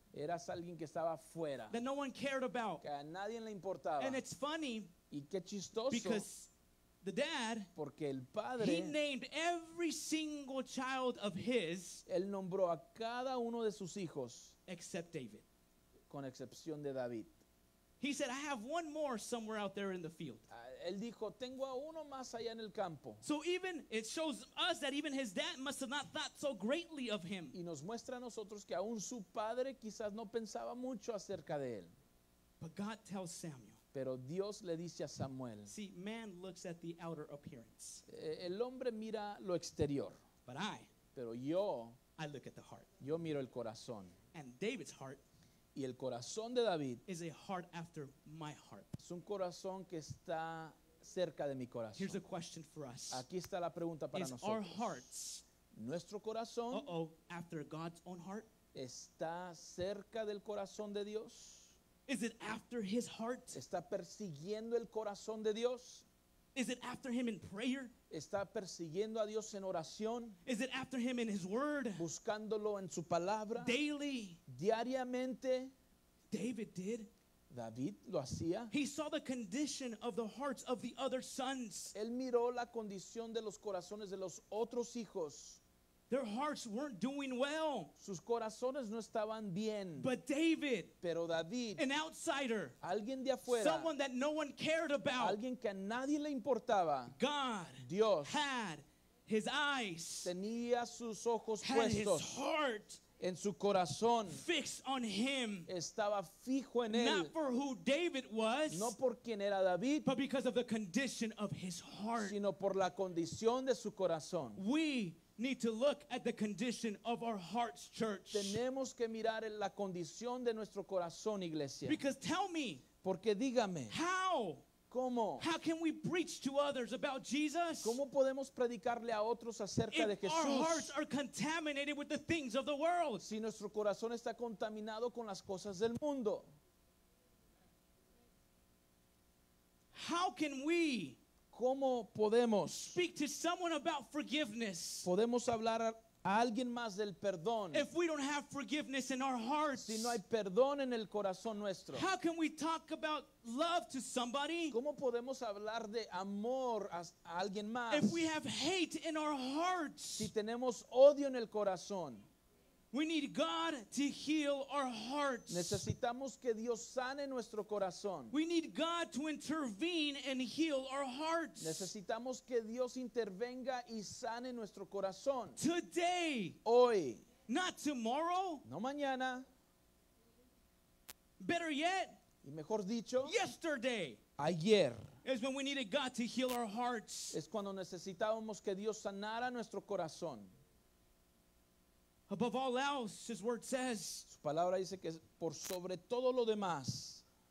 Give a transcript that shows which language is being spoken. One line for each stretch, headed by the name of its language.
Spanish: Eras alguien que estaba fuera.
English: That no one cared about.
Spanish: Que a nadie le importaba.
English: And it's funny.
Spanish: Y qué chistoso.
English: Because the dad,
Spanish: porque el padre,
English: he named every single child of his,
Spanish: él nombró a cada uno de sus hijos,
English: except David,
Spanish: con excepción de David.
English: He said, I have one more somewhere out there in the field.
Spanish: Él dijo, tengo a uno más allá en el campo.
English: So even, it shows us that even his dad must have not thought so greatly of him.
Spanish: Y nos muestra a nosotros que aún su padre quizás no pensaba mucho acerca de él.
English: But God tells Samuel,
Spanish: pero Dios le dice a Samuel,
English: see, man looks at the outer appearance.
Spanish: El hombre mira lo exterior.
English: But I,
Spanish: pero yo,
English: I look at the heart.
Spanish: Yo miro el corazón.
English: And David's heart,
Spanish: y el corazón de David,
English: is a heart after my heart.
Spanish: Es un corazón que está cerca de mi corazón.
English: Here's a question for us.
Spanish: Aquí está la pregunta para
English: is
Spanish: nosotros.
English: Our hearts,
Spanish: nuestro corazón,
English: after God's own heart,
Spanish: está cerca del corazón de Dios.
English: Is it after his heart?
Spanish: ¿Está persiguiendo el corazón de Dios?
English: Is it after him in prayer?
Spanish: ¿Está persiguiendo a Dios en oración?
English: Is it after him in his word?
Spanish: ¿Buscándolo en su palabra?
English: Daily.
Spanish: Diariamente.
English: David did.
Spanish: David lo hacía.
English: He saw the condition of the hearts of the other sons.
Spanish: Él miró la condición de los corazones de los otros hijos.
English: Their hearts weren't doing well.
Spanish: Sus corazones no estaban bien.
English: But David,
Spanish: pero David,
English: an outsider,
Spanish: alguien de afuera,
English: someone that no one cared about,
Spanish: alguien que a nadie le importaba,
English: God,
Spanish: Dios,
English: had his eyes,
Spanish: tenía sus ojos
English: had
Spanish: puestos,
English: his heart,
Spanish: en su corazón
English: fixed on him,
Spanish: estaba fijo en él,
English: not for who David was,
Spanish: no por quien era David,
English: but because of the condition of his heart,
Spanish: sino por la condición de su corazón.
English: We need to look at the condition of our hearts, church.
Spanish: Tenemos que mirar en la condición de nuestro corazón, iglesia.
English: Because tell me,
Spanish: porque dígame,
English: how?
Spanish: ¿Cómo?
English: How can we preach to others about Jesus?
Spanish: ¿Cómo podemos predicarle a otros acerca
English: if
Spanish: de Jesús?
English: Our hearts are contaminated with the things of the world.
Spanish: Si nuestro corazón está contaminado con las cosas del mundo.
English: How can we?
Spanish: ¿Cómo podemos?
English: Speak to someone about forgiveness.
Spanish: Podemos hablar a alguien más del perdón.
English: If we don't have forgiveness in our hearts,
Spanish: si no hay perdón en el corazón nuestro,
English: how can we talk about love to somebody?
Spanish: ¿Cómo podemos hablar de amor a alguien más?
English: If we have hate in our hearts,
Spanish: si tenemos odio en el corazón,
English: we need God to heal our hearts.
Spanish: Necesitamos que Dios sane nuestro corazón.
English: We need God to intervene and heal our hearts.
Spanish: Necesitamos que Dios intervenga y sane nuestro corazón.
English: Today.
Spanish: Hoy.
English: Not tomorrow.
Spanish: No mañana.
English: Better yet.
Spanish: Y mejor dicho.
English: Yesterday.
Spanish: Ayer.
English: Is when we needed God to heal our hearts.
Spanish: Es cuando necesitábamos que Dios sanara nuestro corazón.
English: Above all else, his word says,
Spanish: su palabra dice que por sobre todo lo demás,